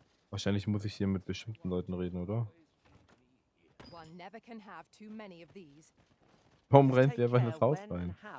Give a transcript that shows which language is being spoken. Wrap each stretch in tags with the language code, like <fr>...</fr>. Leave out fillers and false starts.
<de>Wahrscheinlich muss ich hier mit bestimmten Leuten reden, oder?</de> <en>One never can have too many of these.</en> <de>Warum rennt ihr einfach in das Haus rein?</de>